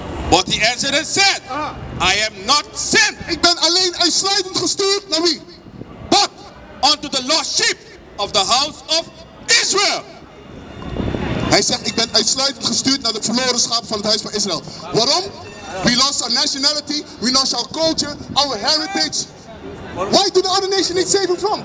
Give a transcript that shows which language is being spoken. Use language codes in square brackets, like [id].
[en] But he answered and said, I am not sent. [nl] Ik ben alleen uitsluitend gestuurd naar wie? [en] But unto the lost sheep of the house of Israel. [nl] Hij zegt, ik ben uitsluitend gestuurd naar de verloren schapen van het huis van Israël. Waarom? [en] We lost our nationality, we lost our culture, our heritage. Why do the other nation need saving from?